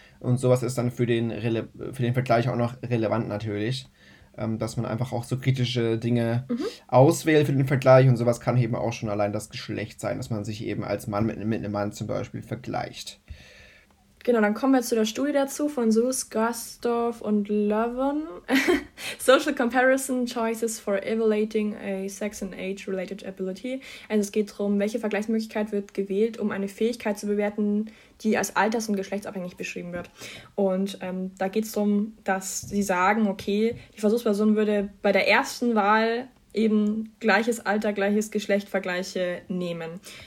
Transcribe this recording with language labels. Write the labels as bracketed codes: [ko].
[de] Und sowas ist dann für den Vergleich auch noch relevant natürlich, dass man einfach auch so kritische Dinge auswählt für den Vergleich. Und sowas kann eben auch schon allein das Geschlecht sein, dass man sich eben als Mann mit einem Mann zum Beispiel vergleicht. Genau, dann kommen wir zu der Studie dazu von Suess, Gustav und Löwen. [en] Social Comparison Choices for Evaluating a Sex and Age Related Ability. [de] Also es geht darum, welche Vergleichsmöglichkeit wird gewählt, um eine Fähigkeit zu bewerten, die als alters- und geschlechtsabhängig beschrieben wird. Und da geht es darum, dass sie sagen, okay, die Versuchsperson würde bei der ersten Wahl eben gleiches Alter, gleiches Geschlecht Vergleiche nehmen.